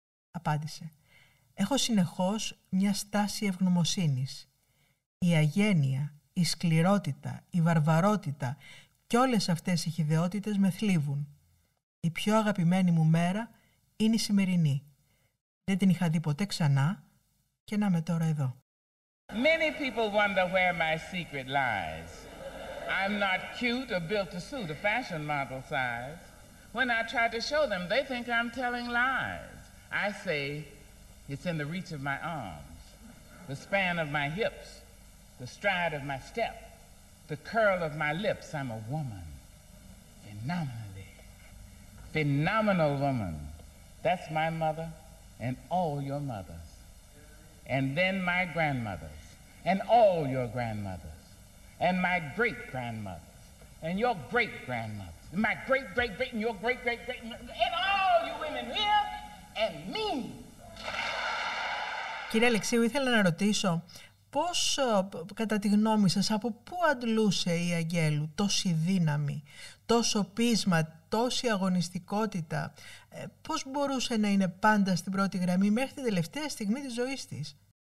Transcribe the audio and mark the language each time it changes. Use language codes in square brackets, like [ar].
[el] Απάντησε, «Έχω συνεχώς μια στάση ευγνωμοσύνης. Η αγένεια, η σκληρότητα, η βαρβαρότητα και όλες αυτές οι χειδαιότητες με θλίβουν. Η πιο αγαπημένη μου μέρα είναι η σημερινή. Δεν την είχα δει ποτέ ξανά και να είμαι τώρα εδώ». [en] Many people wonder where my secret lies. I'm not cute or built to suit a fashion model size. When I try to show them, they think I'm telling lies. I say, it's in the reach of my arms, the span of my hips, the stride of my step, the curl of my lips. I'm a woman, phenomenally, phenomenal woman. That's my mother and all your mothers. And then my grandmothers and all your grandmothers and my great-grandmothers and your great-grandmothers and my great-great-great and your great-great-great and all you women here and me. [el] Κύριε Αλεξίου, ήθελα να ρωτήσω πώς, κατά τη γνώμη σας, από πού αντλούσε η Αγγέλου τόση δύναμη, τόσο πείσμα, τόση αγωνιστικότητα, πώς μπορούσε να είναι πάντα στην πρώτη γραμμή μέχρι την τελευταία στιγμή της ζωής της?